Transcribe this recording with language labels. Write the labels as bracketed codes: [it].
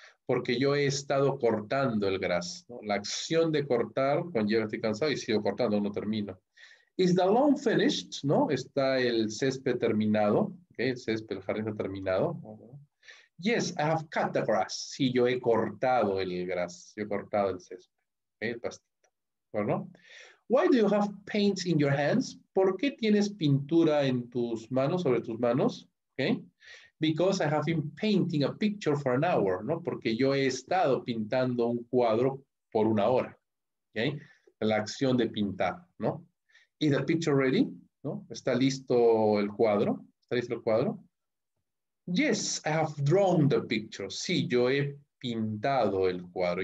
[es] Porque yo he estado cortando el grass, ¿no? La acción de cortar, cuando ya estoy cansado y sigo cortando, no termino. [en] Is the lawn finished, [es] ¿no? Está el césped terminado, ¿okay? El césped, el jardín está terminado. [en] Yes, I have cut the grass. [es] Sí, yo he cortado el grass, yo he cortado el césped, ¿okay? El pastito, ¿bueno? [en] Why do you have paints in your hands? [es] ¿Por qué tienes pintura en tus manos, sobre tus manos? ¿Okay? [en] Because I have been painting a picture for an hour, ¿no? [es] Porque yo he estado pintando un cuadro por una hora. ¿Okay? La acción de pintar, ¿no? [en] Is the picture ready? [es] ¿No? ¿Está listo el cuadro? ¿Está listo el cuadro? [en] Yes, I have drawn the picture. [es] Sí, yo he pintado el cuadro.